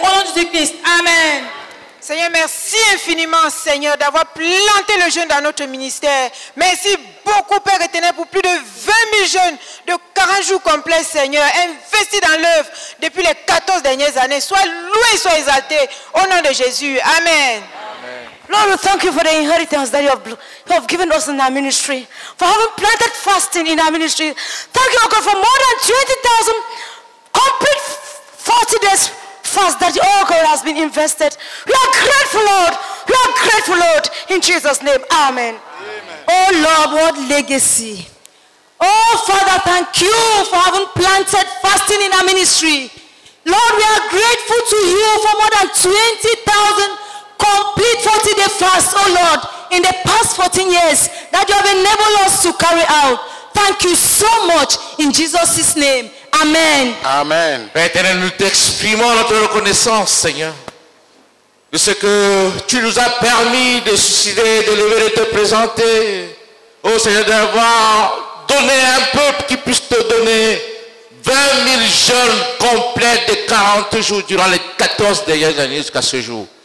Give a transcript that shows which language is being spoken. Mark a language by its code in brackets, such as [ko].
[fr] Au nom de Jésus-Christ. Amen. Seigneur, merci infiniment, Seigneur, d'avoir planté le jeûne dans notre ministère. Merci beaucoup, Père éternel, pour plus de 20 000 jeunes de 40 jours complets, Seigneur, investis dans l'œuvre depuis les 14 dernières années. Sois loué, sois exalté. Au nom de Jésus. Amen. [en] Lord, we thank you for the inheritance that you have given us in our ministry, for having planted fasting in our ministry. Thank you, O God, for more than 20,000 complete 40 days fast that, O God, has been invested. We are grateful, Lord. We are grateful, Lord, in Jesus' name. Amen. Amen. Oh, Lord, what legacy. Oh, Father, thank you for having planted fasting in our ministry. Lord, we are grateful to you for more than 20,000 complete 40-day fast, oh Lord, in the past 14 years that you have enabled us to carry out. Thank you so much in Jesus' name. Amen. Amen. [fr] Père éternel, nous t'exprimons notre reconnaissance, Seigneur, de ce que tu nous as permis de susciter, de lever et de te présenter. Oh Seigneur, d'avoir donné un peuple qui puisse te donner 20 000 jeunes complets de 40 jours durant les 14 dernières années jusqu'à ce jour.